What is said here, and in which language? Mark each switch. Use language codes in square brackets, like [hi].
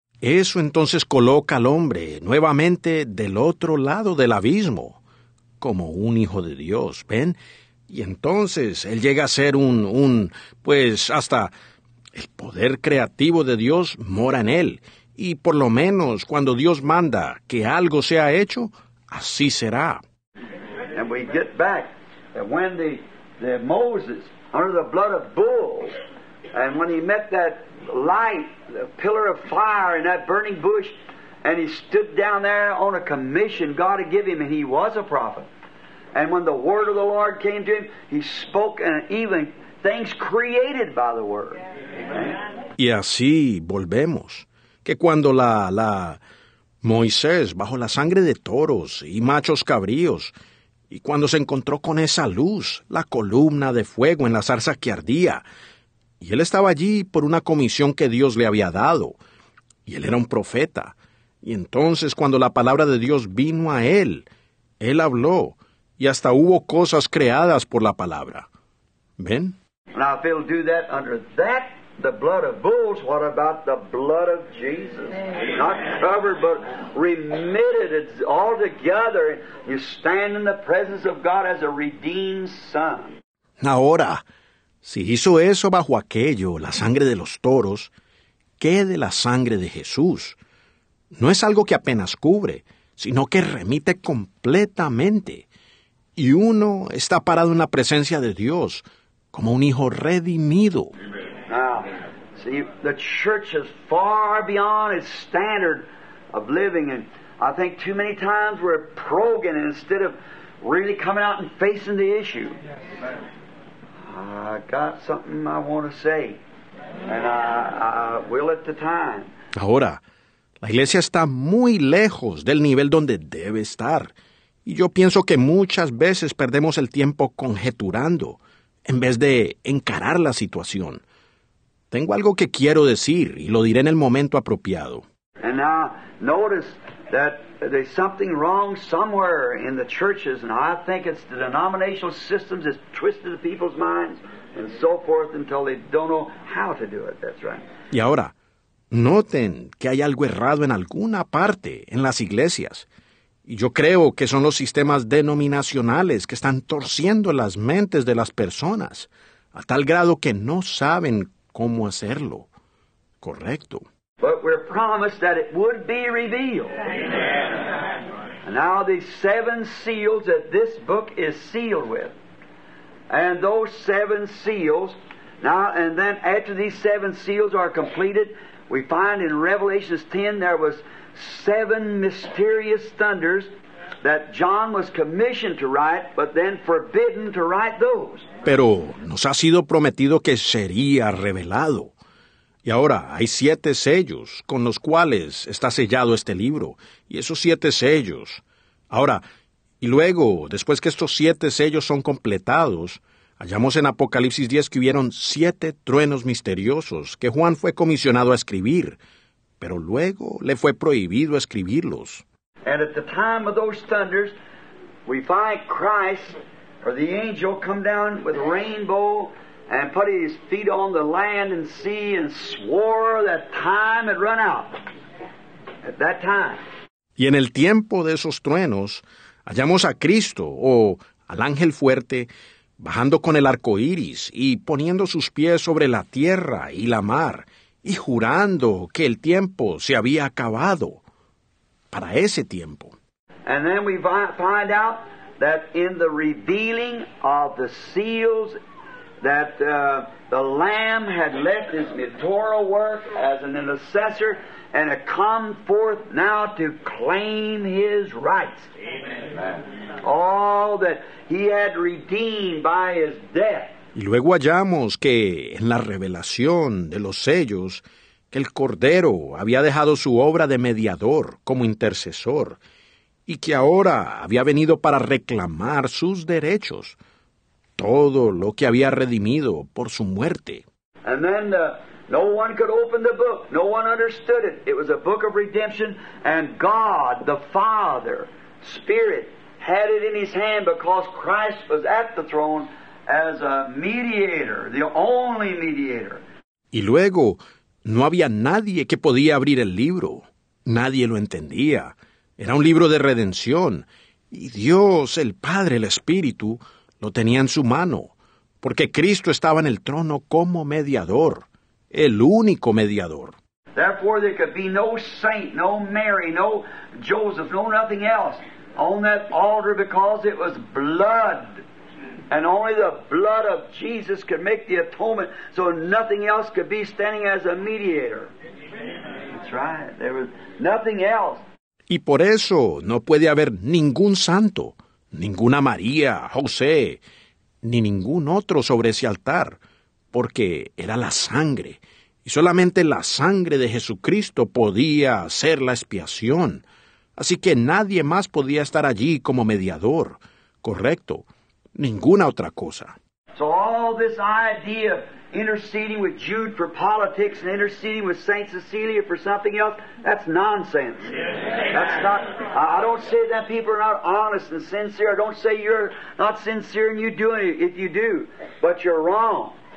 [es] Eso entonces coloca al hombre nuevamente del otro lado del abismo, como un hijo de Dios, ¿ven? Y entonces él llega a ser un hasta el poder creativo de Dios mora en él, y por lo menos cuando Dios manda que algo sea hecho, así será. [en] And we get back, and when the Moses, under the blood of bulls, and when he met that light, the pillar of fire in that burning bush, and he stood down there on a commission God had given him, and he was a prophet. And when the word of the Lord came to him, he spoke, and even things created by the word. Amen. [es] Y así volvemos, que cuando la Moisés, bajo la sangre de toros y machos cabríos, y cuando se encontró con esa luz, la columna de fuego en la zarza que ardía, y él estaba allí por una comisión que Dios le había dado, y él era un profeta, y entonces cuando la palabra de Dios vino a él, él habló, y hasta hubo cosas creadas por la palabra. ¿Ven? [en] Now, if he'll do that under that the blood of bulls, what about the blood of Jesus? Amen. Not covered, but remitted altogether. You stand in the presence of God as a redeemed son. [es] Ahora, si hizo eso bajo aquello, la sangre de los toros, ¿qué de la sangre de Jesús? No es algo que apenas cubre, sino que remite completamente. Y uno está parado en la presencia de Dios como un hijo redimido. [en] Now, see, the church is far beyond its standard of living, and I think too many times we're proging instead of really coming out and facing the issue. I got something I want to say, and I will at the time. [es] Ahora, la iglesia está muy lejos del nivel donde debe estar, y yo pienso que muchas veces perdemos el tiempo conjeturando en vez de encarar la situación. Tengo algo que quiero decir, y lo diré en el momento apropiado. [en] And now, notice that there's something wrong somewhere in the churches, and I think it's the denominational systems that's twisted the people's minds, and so forth, until they don't know how to do it. That's right. [es] Y ahora, noten que hay algo errado en alguna parte en las iglesias. Y yo creo que son los sistemas denominacionales que están torciendo las mentes de las personas a tal grado que no saben cómo hacerlo. Correcto. [en] But we're promised that it would be revealed. Amen. Now the seven seals that this book is sealed with. And those seven seals, now and then after these seven seals are completed, we find in Revelation 10 there was seven mysterious thunders that John was commissioned to write, but then forbidden to write those. [es] Pero nos ha sido prometido que sería revelado. Y ahora hay siete sellos con los cuales está sellado este libro. Y esos siete sellos. Ahora, y luego, después que estos siete sellos son completados, hallamos en Apocalipsis 10 que hubieron siete truenos misteriosos que Juan fue comisionado a escribir, pero luego le fue prohibido escribirlos. [en] And at the time of those thunders, we find Christ, or the angel, come down with a rainbow and put his feet on the land and sea and swore that time had run out. At that time. [es] Y en el tiempo de esos truenos, hallamos a Cristo, o al ángel fuerte, bajando con el arco iris y poniendo sus pies sobre la tierra y la mar y jurando que el tiempo se había acabado para ese tiempo. [en] And then we find out that in the revealing of the seals that the Lamb had left his victorial work as an intercessor and had come forth now to claim his rights. Amen. All that he had redeemed by his death. [es] Y luego hallamos que en la revelación de los sellos, que el Cordero había dejado su obra de mediador como intercesor y que ahora había venido para reclamar sus derechos, todo lo que había redimido por su muerte. [en] And then no one could open the book. No one understood it. It was a book of redemption, and God, the Father, Spirit, had it in his hand because Christ was at the throne as a mediator, the only mediator. [es] Y luego, no había nadie que podía abrir el libro. Nadie lo entendía. Era un libro de redención. Y Dios, el Padre, el Espíritu, lo tenía en su mano, porque Cristo estaba en el trono como mediador, el único mediador. [en] Therefore, there could be no saint, no Mary, no Joseph, no nothing else on that altar because it was blood. And only the blood of Jesus could make the atonement, so nothing else could be standing as a mediator. That's right. There was nothing else. [es] Y por eso no puede haber ningún santo, ninguna María, José, ni ningún otro sobre ese altar, porque era la sangre. Y solamente la sangre de Jesucristo podía hacer la expiación. Así que nadie más podía estar allí como mediador. Correcto. Ninguna otra cosa. [en] So all this idea of interceding with Jude for politics and interceding with Saint Cecilia for something else, that's nonsense. That's not, I don't say that people are not honest and sincere. I don't say you're not sincere and you do it if you do. But you're wrong.